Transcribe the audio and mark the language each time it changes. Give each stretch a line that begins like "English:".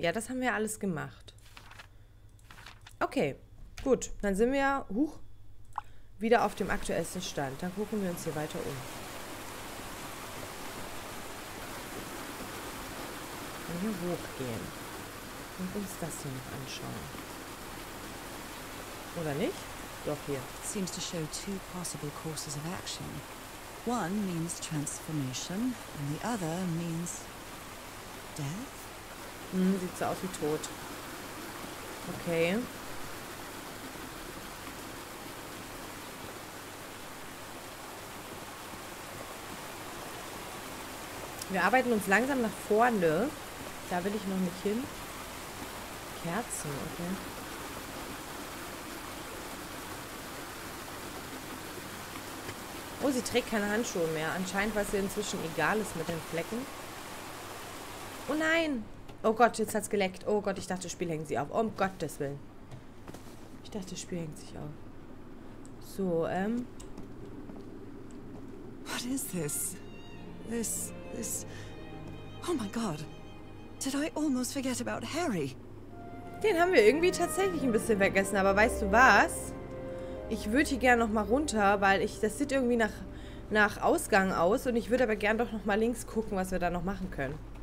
German: Ja, das haben wir alles gemacht. Okay, gut. Dann sind wir, huch, wieder auf dem aktuellsten Stand. Dann gucken wir uns hier weiter um. Hier hochgehen und uns das hier noch anschauen. Oder nicht? Doch, hier.
English: Seems to show two possible courses of action. One means transformation and the other means death.
German: Hm, sieht so aus wie tot. Okay. Wir arbeiten uns langsam nach vorne. Da will ich noch nicht hin. Kerzen, okay. Oh, sie trägt keine Handschuhe mehr. Anscheinend, weil es ihr inzwischen egal ist mit den Flecken. Oh nein! Oh Gott, jetzt hat es geleckt. Oh Gott, ich dachte, das Spiel hängt sie auf. Um Gottes Willen. Ich dachte, das Spiel hängt sich auf. So,
English: What is this? This...
German: Oh mein Gott!
English: Did I almost forget about Harry?
German: Den haben wir irgendwie tatsächlich ein bisschen vergessen, aber weißt du was? Ich würde hier gerne nochmal runter, weil ich das sieht irgendwie nach Ausgang aus und ich würde aber gerne doch nochmal links gucken, was wir da noch machen können.